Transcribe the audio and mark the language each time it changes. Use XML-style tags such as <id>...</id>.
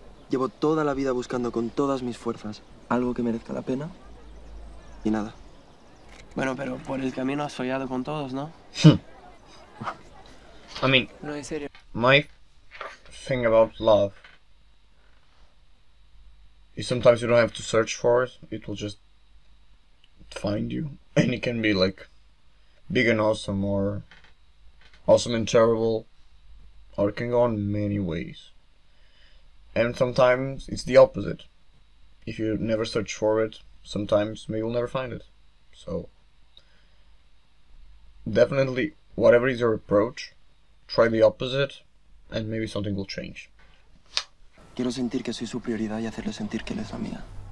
<es>Llevo toda la vida buscando con todas mis fuerzas algo que merezca la pena y nada. Bueno, pero por el camino has follado con todos, ¿no?</es> <en>I mean,</en> <es>no, en serio.</es> <en>My thing about love is sometimes you don't have to search for it. It will just find you. And it can be like big and awesome, or awesome and terrible, or it can go in many ways. And sometimes it's the opposite. If you never search for it, sometimes maybe you'll never find it. So definitely, whatever is your approach, try the opposite and maybe something will change.</en> <es>Quiero sentir que soy su prioridad y hacerle sentir que él es la mía.</es>